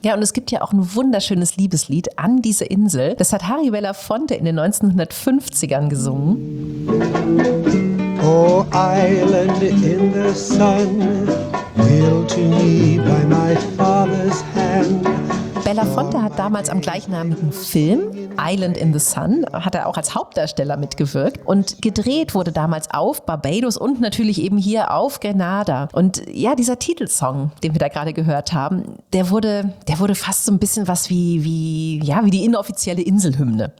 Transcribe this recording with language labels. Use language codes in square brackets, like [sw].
[de] Ja, und es gibt ja auch ein wunderschönes Liebeslied an diese Insel. Das hat Harry Belafonte in den 1950ern gesungen. [en] Oh, island in the sun, yield to me by my father's hand. [de] Belafonte hat damals am gleichnamigen Film Island in the Sun, hat er auch als Hauptdarsteller mitgewirkt und gedreht wurde damals auf Barbados und natürlich eben hier auf Grenada. Und ja, dieser Titelsong, den wir da gerade gehört haben, der wurde fast so ein bisschen was wie die inoffizielle Inselhymne.